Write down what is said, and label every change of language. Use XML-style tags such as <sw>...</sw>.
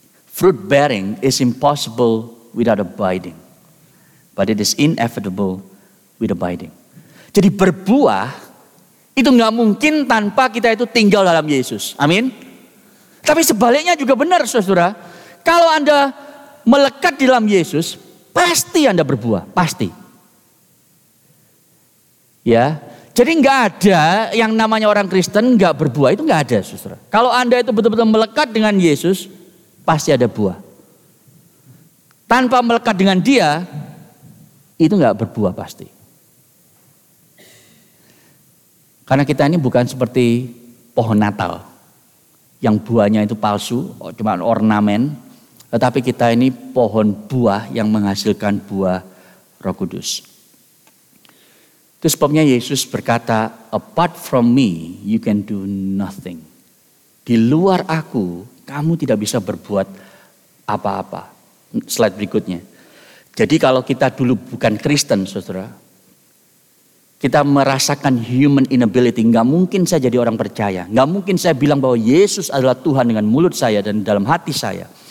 <en>Fruit bearing is impossible without abiding, but it is inevitable with abiding.</en> <id>Jadi berbuah itu gak mungkin tanpa kita itu tinggal dalam Yesus. Amin. Tapi sebaliknya juga benar saudara. Kalau Anda melekat di dalam Yesus, pasti Anda berbuah, pasti. Ya, jadi gak ada yang namanya orang Kristen gak berbuah, itu gak ada saudara. Kalau Anda itu betul-betul melekat dengan Yesus, pasti ada buah. Tanpa melekat dengan dia, itu gak berbuah pasti. Karena kita ini bukan seperti pohon Natal, yang buahnya itu palsu, cuma ornamen. Tetapi kita ini pohon buah yang menghasilkan buah Roh Kudus. Itu sebabnya Yesus berkata,</id> <en>apart from me, you can do nothing.</en> <id>Di luar aku, kamu tidak bisa berbuat apa-apa. Slide berikutnya. Jadi kalau kita dulu bukan Kristen, saudara, kita merasakan human inability. Gak mungkin saya jadi orang percaya. Gak mungkin saya bilang bahwa Yesus adalah Tuhan dengan mulut saya dan dalam hati saya.</id>